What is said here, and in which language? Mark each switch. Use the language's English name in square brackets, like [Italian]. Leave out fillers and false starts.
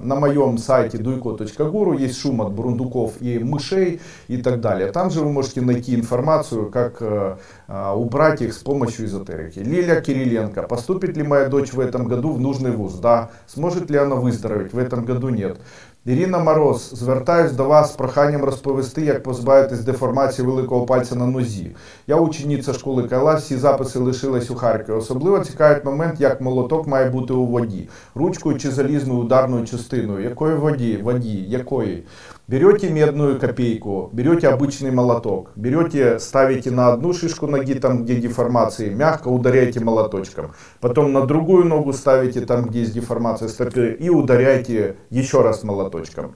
[Russian] На моем сайте duiko.guru есть шум от бурундуков и мышей и так далее. Там же вы можете найти информацию, как убрать их с помощью эзотерики. Лиля Кириленко. Поступит ли моя дочь в этом году в нужный вуз? Да. Сможет ли она выздороветь? В этом году нет. [Ukrainian] Ірина Мороз, звертаюсь до вас з проханням розповісти, як позбавитись деформації великого пальця на нозі. Я учениця школи Кайлас, всі записи лишились у Харкові. Особливо цікавить момент, як молоток має бути у воді. Ручкою чи залізною ударною частиною? Якої воді? Воді. Якої? [Russian] Берете медную копейку, берете обычный молоток, берете, ставите на одну шишку ноги, там где деформации, мягко ударяете молоточком. Потом на другую ногу ставите, там где есть деформация стопы, и ударяете еще раз молоточком.